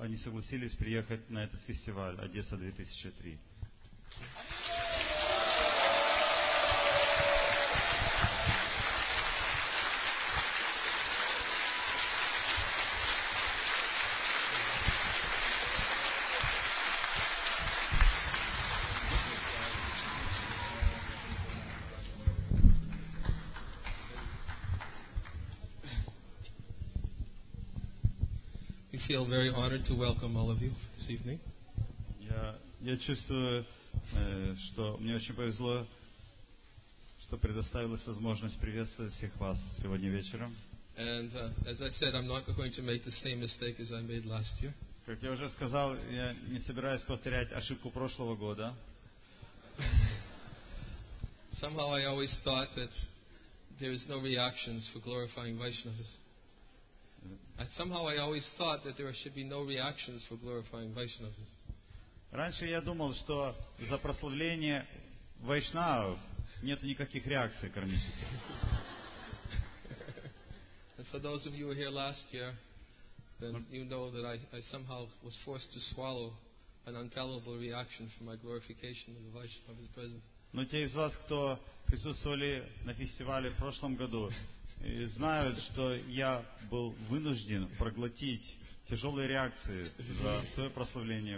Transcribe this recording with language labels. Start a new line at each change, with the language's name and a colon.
Russian: они согласились приехать на этот фестиваль Одесса 2003. Feel
English: very honored to welcome all of you this evening.
Russian: Я чувствую, что мне очень повезло, что предоставилась возможность приветствовать всех вас сегодня вечером.
English: And as I said, I'm not going to make the same mistake as I made last year.
Russian: Как я уже сказал, я не собираюсь повторять ошибку прошлого года.
English: Somehow I always thought that there is no reactions for glorifying Vaishnavas. Somehow I always thought that there should be no reactions for glorifying Vaishnavas.
Russian: Раньше я думал, что за прославление Вайшнавов нет никаких реакций кармических.
English: And for those of you who were here last year, then you know that I somehow was forced to swallow an unpalatable reaction for my glorification of the Vaishnavas present.
Russian: Но те из вас, кто присутствовали на фестивале в прошлом году, и знают, что я был вынужден проглотить тяжелые реакции за свое прославление